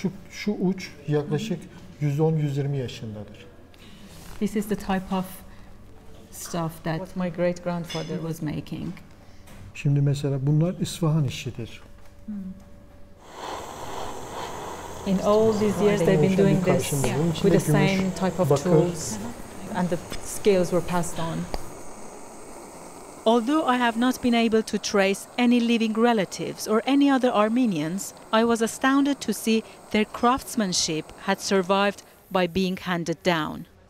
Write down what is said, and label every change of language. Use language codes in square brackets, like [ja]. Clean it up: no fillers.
[tr] Şu uç yaklaşık 110-120 yaşındadır. [en] This is the type of stuff that my great grandfather was making. [tr] Şimdi mesela bunlar İsfahan işidir. [en] In all these years they've been doing this with the same type of tools and the skills were passed on. Although I have not been able to trace any living relatives or any other Armenians, I was astounded to see their craftsmanship had survived by being handed down.